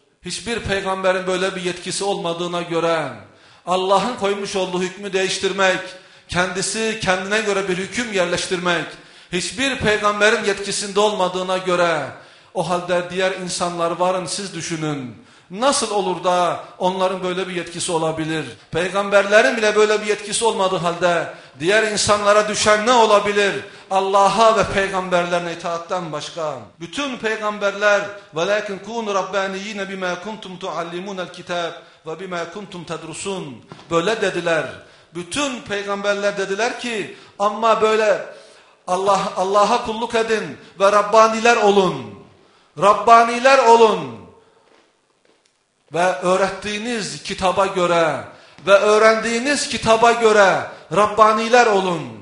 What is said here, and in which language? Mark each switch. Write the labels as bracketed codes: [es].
[tr] Hiçbir peygamberin böyle bir yetkisi olmadığına göre Allah'ın koymuş olduğu hükmü değiştirmek, kendisi kendine göre bir hüküm yerleştirmek, hiçbir peygamberin yetkisinde olmadığına göre o halde diğer insanlar varın siz düşünün. Nasıl olur da onların böyle bir yetkisi olabilir? Peygamberlerin bile böyle bir yetkisi olmadığı halde diğer insanlara düşen ne olabilir? Allah'a ve peygamberlerine itaatten başka. [ar] Bütün peygamberler وَلَاكِنْ كُونُ رَبَّانِيِّنَ بِمَا كُنْتُمْ تُعَلِّمُونَ الْكِتَابِ وَبِمَا كُنْتُمْ تَدْرُسُونَ [tr] böyle dediler. Bütün peygamberler dediler ki ama böyle Allah'a kulluk edin ve Rabbaniler olun. Rabbaniler olun. Ve öğrettiğiniz kitaba göre ve öğrendiğiniz kitaba göre Rabbaniler olun.